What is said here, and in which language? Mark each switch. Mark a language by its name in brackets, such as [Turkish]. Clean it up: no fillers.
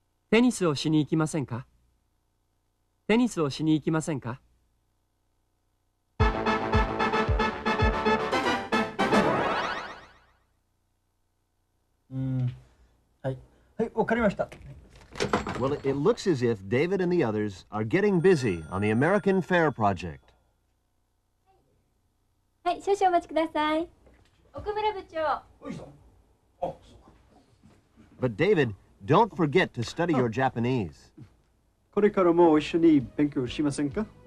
[Japanese] テニスをしに行きませんか？テニスをしに行きませんか？はい、はい、わかりました。 [English] Well, it looks as if David and the others are getting busy on the American Fair project. [Japanese] はい、少々お待ちください。奥村部長。 [English] But David, don't forget to study your Japanese. [Japanese] これからも一緒に勉強しませんか?